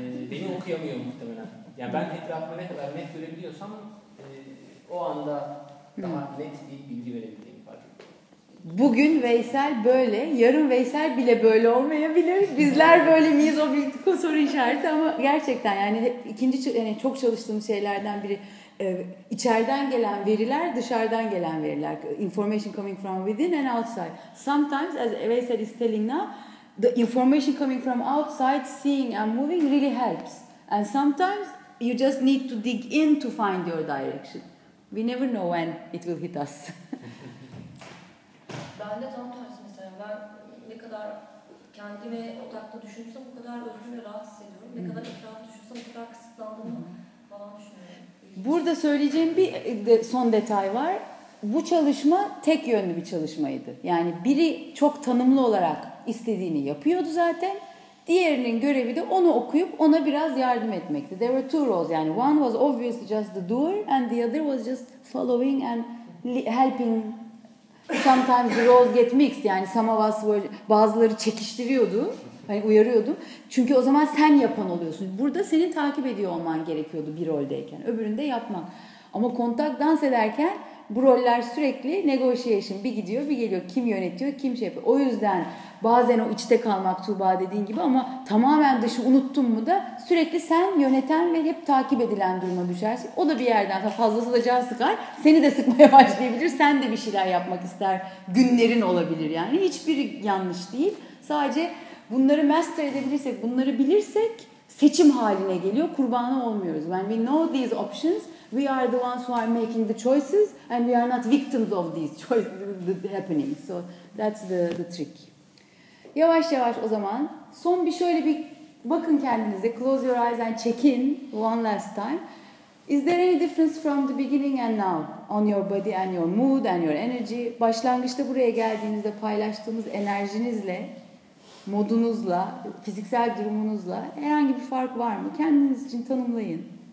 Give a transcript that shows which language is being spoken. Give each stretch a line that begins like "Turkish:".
Turkish: Beni okuyamıyor muhtemelen. Yani ben etrafımı ne kadar net görebiliyorsam o anda daha net bir bilgi verebildiğimi fark ettim. Bugün Veysel böyle, yarın Veysel bile böyle olmayabilir. Bizler böyle miyiz o bir soru işareti ama gerçekten yani ikinci yani çok çalıştığım şeylerden biri içeriden gelen veriler, dışarıdan gelen veriler.
English: Information coming from within and outside. Sometimes, as Veysel is telling now, the information coming from outside, seeing and moving really helps. And sometimes you just need to dig in to find your direction. We never know when it will hit us.
Turkish: Ben de tam tersi mesela. Ben ne kadar kendime odaklı düşünürsem o kadar özgür ve rahat hissediyorum. Ne kadar etrafı düşünürsem o kadar kısıtlandığımı falan düşünüyorum. Burada söyleyeceğim bir son detay var. Bu çalışma tek yönlü bir çalışmaydı. Yani biri çok tanımlı olarak istediğini yapıyordu zaten. Diğerinin görevi de onu okuyup ona biraz yardım etmekti.
English: There were two roles. Yani one was obviously just the doer and the other was just following and helping. Sometimes the roles get mixed. Yani some of us were,
Turkish: bazıları çekiştiriyordu. Hani uyarıyordu. Çünkü o zaman sen yapan oluyorsun. Burada senin takip ediyor olman gerekiyordu bir roldeyken. Öbüründe yapmak. Ama kontak dans ederken bu roller sürekli negotiation. Bir gidiyor bir geliyor. Kim yönetiyor kim şey yapıyor. O yüzden bazen o içte kalmak Tuğba dediğin gibi ama tamamen dışı unuttun mu da sürekli sen yöneten ve hep takip edilen duruma düşersin. O da bir yerden fazlası da can sıkar. Seni de sıkmaya başlayabilir. Sen de bir şeyler yapmak ister. Günlerin olabilir yani. Hiçbiri yanlış değil. Sadece bunları master edebilirsek, bunları bilirsek seçim haline geliyor. Kurbanı olmuyoruz.
English: When we know these options, we are the ones who are making the choices and we are not victims of these choices happening. So that's the trick.
Turkish: Yavaş yavaş o zaman. Son bir şöyle bir bakın kendinize.
English: Close your eyes and check in one last time. Is there any difference from the beginning and now on your body and your mood and your energy?
Turkish: Başlangıçta buraya geldiğinizde paylaştığımız enerjinizle, modunuzla, fiziksel durumunuzla herhangi bir fark var mı? Kendiniz için tanımlayın.